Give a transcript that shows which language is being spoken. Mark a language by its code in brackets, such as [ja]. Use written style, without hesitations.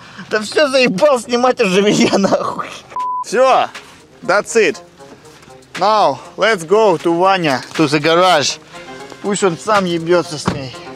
[ru] Да все заебал снимать уже меня нахуй. Все, [en] that's it. Now, let's go to Ваня, to the garage. [ru] Пусть он сам ебется с ней.